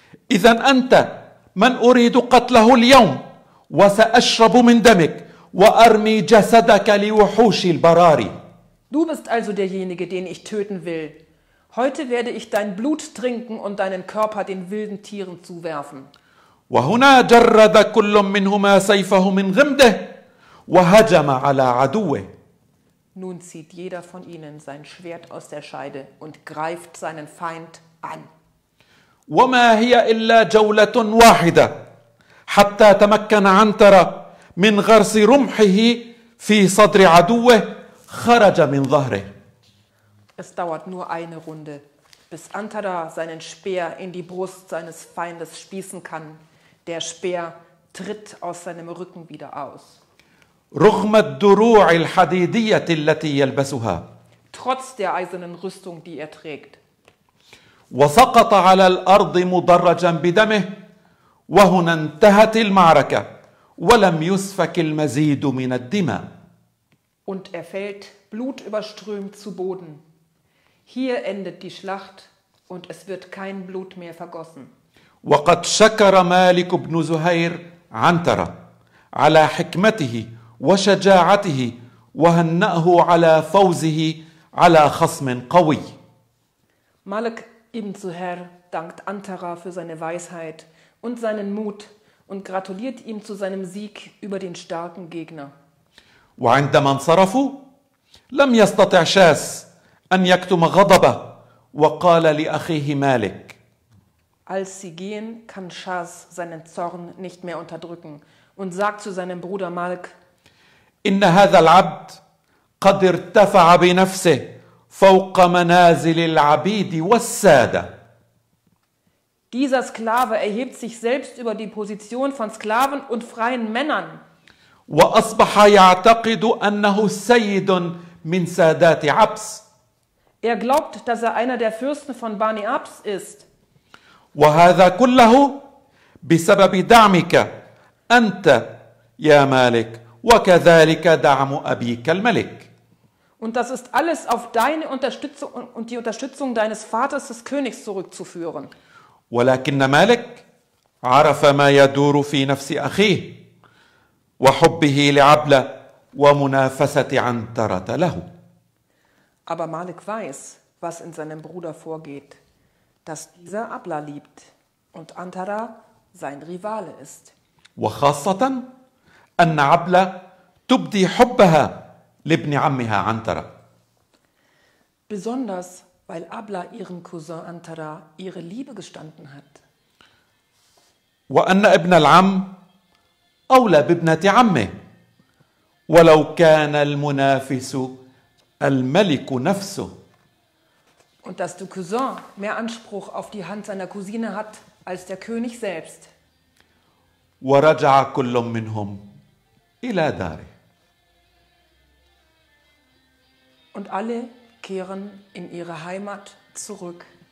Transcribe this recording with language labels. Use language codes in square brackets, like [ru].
[ar] إذا أنت من أريد قتله اليوم وسأشرب من دمك وأرمي جسدك لوحوش البراري. [de] Du bist also derjenige, den ich töten will. Heute werde ich dein Blut trinken und deinen Körper den wilden Tieren zuwerfen. [ar] وهنا جرد كل منهما سيفه من غمده وهجم على عدوه. [de] Nun zieht jeder von ihnen sein Schwert aus der Scheide und greift seinen Feind an. [ar] وما هي إلا جولة واحدة حتى تمكن عنترة من غرس رمحه في صدر عدوه خرج من ظهره. [de] Es dauert nur eine Runde, bis Antara seinen Speer in die Brust seines Feindes spießen kann. Der Speer tritt aus seinem Rücken wieder aus. [ar] رغم الدروع الحديدية التي يلبسها. [de] Trotz der eisernen Rüstung, die er trägt. [ar] وسقط على الأرض مدرجا بدمه وهنا انتهت المعركة ولم يسفك المزيد من الدماء. [de] Und er fällt blutüberströmt zu Boden. Hier endet die Schlacht und es wird kein Blut mehr vergossen. [ar] وقد شكر مالك بن زهير عنترة على حكمته وشجاعته وهنأه على فوزه على خصم قوي. [de] مالك ابن زهير dankt Antara für seine Weisheit und seinen Mut und gratuliert ihm zu seinem Sieg über den starken Gegner. [ar] وعندما انصرفوا لم يستطع شاس أن يكتم غضبه وقال لأخيه مالك. [de] Als sie gehen, kann Shaz seinen Zorn nicht mehr unterdrücken und sagt zu seinem Bruder Malik: [ar] إن هذا العبد قد ارتفع بنفسه فوق منازل العبيد والسادة. [de] Dieser Sklave erhebt sich selbst über die Position von Sklaven und freien Männern. [ar] وأصبح يعتقد أنه سيد من سادات عبس. [de] Er glaubt, dass er einer der Fürsten von Bani Abs ist. [ar] وهذا كله بسبب دعمك أنت يا مالك وكذلك دعم أبيك الملك. [de] Und das ist alles auf deine Unterstützung und die Unterstützung deines Vaters des Königs zurückzuführen. [ar] ولكن مالك عرف ما يدور في نفس أخيه وحبه لعبلة ومنافسة عنترة له. [de] Aber Malik weiß, was in seinem Bruder vorgeht, dass dieser Abla liebt und Antara sein Rivale ist. [ar] وخاصة أن عبلة تبدي حبها لابن عمها عنترة. [de] Besonders weil Abla ihrem Cousin Antara ihre Liebe gestanden hat. [ar] وأن ابن العم أولى بابنة عمه ولو كان المنافس الملك نفسه. [de] Und dass der Cousin mehr Anspruch auf die Hand seiner Cousine hat als der König selbst. [ar] ورجع كل منهم إلى داره. [de] Und alle kehren in ihre Heimat zurück.